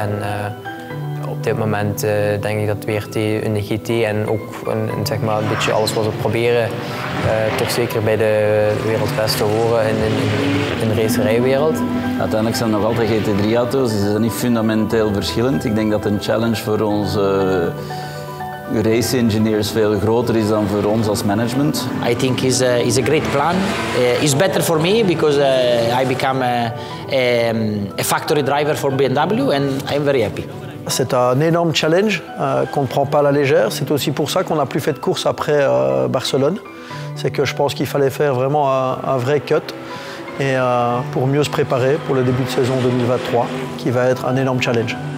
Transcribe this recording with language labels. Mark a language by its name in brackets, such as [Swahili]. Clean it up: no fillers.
[Dutch] En op dit moment denk ik dat WRT in de GT en ook zeg maar, een beetje alles wat we proberen, toch zeker bij de wereldbeste horen in de racerijwereld. Uiteindelijk zijn het nog altijd GT3-auto's, die zijn niet fundamenteel verschillend. Ik denk dat een challenge voor onze race-engineers veel groter is dan voor ons als management. [English] I think it's a great plan. It's better for me because I become a factory driver for BMW and I'm very happy. [French] C'est un énorme challenge qu'on ne prend pas à la légère. C'est aussi pour ça qu'on n'a plus fait de course après Barcelone. C'est que je pense qu'il fallait faire vraiment un vrai cut et pour mieux se préparer pour le début de saison 2023, qui va être un énorme challenge.